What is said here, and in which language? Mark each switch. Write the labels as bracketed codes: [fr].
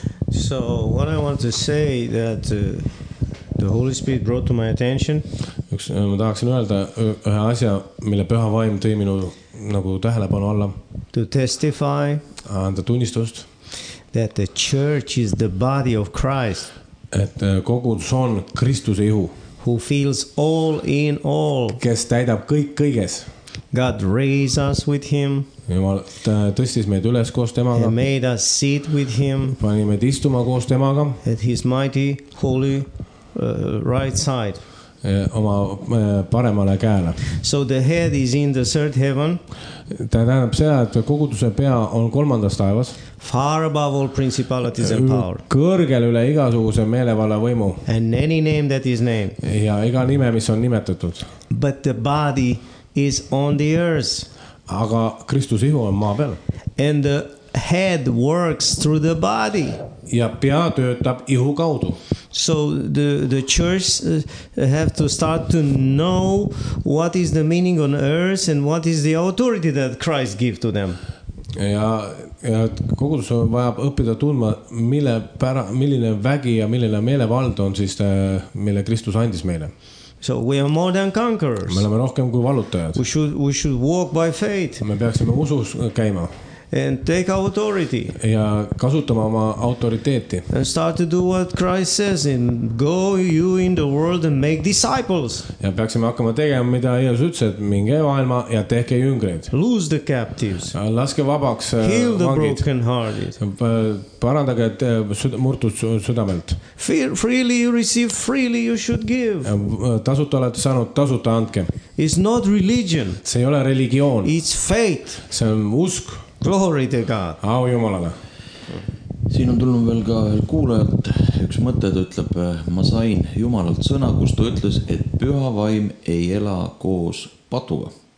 [en] So what I want to say that the Holy Spirit brought to my attention. [et] Üks, ma tahaksin öelda ühe asja, mille püha vaim tõi minu nagu tähelepanu alla. [en] To testify. [et] Anda tunnistust. [en] That the church is the body of Christ. [et] Et kogudus on Kristuse ihu. [en] Who fills all in all. [et] Kes täidab kõik kõiges. [en] God raised us with him. [et] Jumal tõstis meid üles koos temaga. [en] And made us sit with him. [et] Pani meid istuma koos temaga. [en] At his mighty, holy, right side. [et] Oma paremale käele. [en] So the head is in the third heaven. [et] Ta tähendab seda, et koguduse pea on kolmandas taevas. [en] Far above all principalities and power. [et] Kõrgel üle igasuguse meelevalla võimu. [en] And any name that is named. [et] Ja iga nime, mis on nimetatud. [en] But the body is on the earth. [et] Aga Kristus ihu on maa peal. [en] And the head works through the body. [et] Ja pea töötab ihu kaudu. [en] So the church have to start to know what is the meaning on earth and what is the authority that Christ gives to them. [et] Ja kogudus vajab õppida tundma, milline vägi ja milline meelevald on siis, mille Kristus andis meile. [en] So we are more than conquerors. [et] Me oleme rohkem kui valutajad. [en] We should walk by faith. [et] Me peaksime usus käima. [en] And take authority. [et] Ja kasutama oma autoriteeti. [en] And start to do what Christ says and go you in the world and make disciples. [et] Ja peaksime hakkama tegema, mida Jeesus ütles, et minge maailma ja tehke jüngreid. [en] Lose the captives. [et] Laske vabaks [en] heal The broken hearted. [et] Parandage murtud südamelt. [en] Freely you receive, freely you should give. [et] Tasuta olete saanud, tasuta antke. [en] It's not religion. [et] See ei ole religioon. [en] It's faith. [et] See on usk. [en] Glory to God. [et] Au Jumalale. Siin on tulnud veel ka kuulajalt üks mõte, ta ütleb, ma sain Jumalalt sõna, kus ta ütles, et püha vaim ei ela koos patuga.